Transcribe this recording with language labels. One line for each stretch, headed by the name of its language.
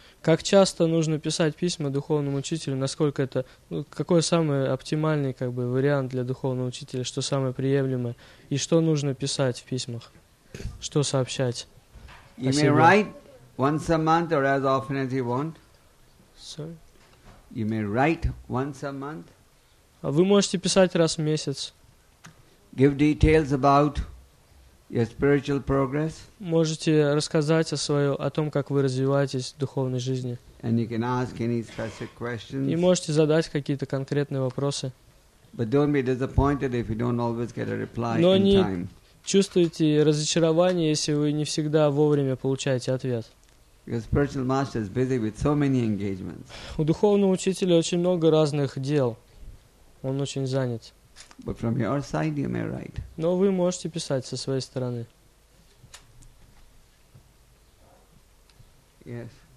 Russian: Как часто нужно писать письма духовному учителю? Насколько это, ну, какой самый оптимальный как бы вариант для духовного учителя? Что самое приемлемое? И что нужно писать в письмах? Что сообщать?
English: You may write once a month or as often as you want. Sorry. You may write once a month.
Russian: А вы можете писать раз в месяц.
English: Give details about your spiritual progress.
Russian: Можете рассказать о своем, о том, как вы развиваетесь в духовной жизни.
English: And you can ask any specific questions.
Russian: И можете задать какие-то конкретные вопросы.
English: But don't be disappointed if you don't always get a reply
Russian: Но
English: in time.
Russian: Но не чувствуйте разочарование, если вы не всегда вовремя получаете ответ.
English: Your spiritual master is busy with so many engagements.
Russian: У духовного учителя очень много разных дел. Он очень занят.
English: But from your side, you may write.
Russian: Но вы можете писать со своей стороны.
English: Yes.